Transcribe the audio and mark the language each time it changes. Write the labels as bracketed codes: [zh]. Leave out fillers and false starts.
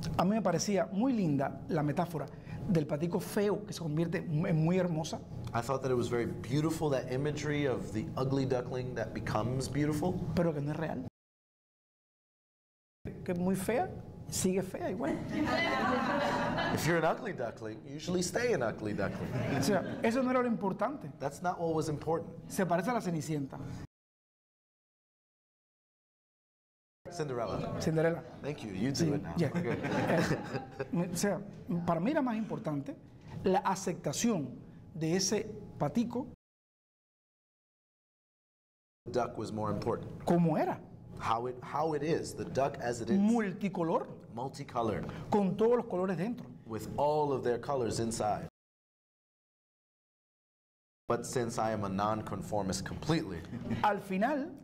[es] A mí me parecía muy linda la metáfora del patico feo que se convierte en muy hermosa. [en] I thought that it was very beautiful, that imagery of the ugly duckling that becomes beautiful. [es] Pero que no es real. Que es muy fea, sigue fea igual. [en] If you're an ugly duckling, you usually stay an ugly duckling. [es] O sea, eso no era lo importante. [en] That's not what was important. [es] Se parece a la Cenicienta. [en] Cinderella. Cinderella. Thank you. You do it now. Yeah. [es] Okay. O sea, para mí era más importante la aceptación de ese patico. [en] The duck was more important. [es] ¿Cómo era? [en] How it is, the duck as it is. [es] Multicolor. [en] Multicolored. [es] Con todos los colores dentro. [en] With all of their colors inside. But since I am a nonconformist completely, [es] al final,